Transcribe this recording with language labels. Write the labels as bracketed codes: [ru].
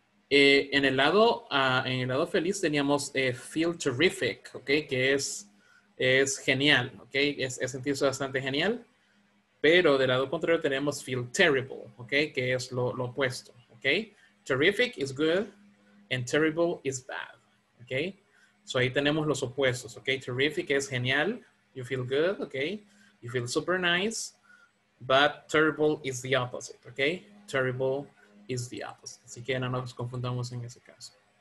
[es] En el lado feliz teníamos [en] feel terrific, [es] okay, que es genial, okay, es sentirse bastante genial, pero del lado contrario tenemos [en] feel terrible, [es] okay, que es lo opuesto, okay. [en] Terrific is good and terrible is bad, okay. So [es] ahí tenemos los opuestos, [en] okay. Terrific [es] es genial, [en] you feel good, okay, you feel super nice, but terrible is the opposite, okay. Terrible is the opposite. [es] Así que no nos confundamos en ese caso.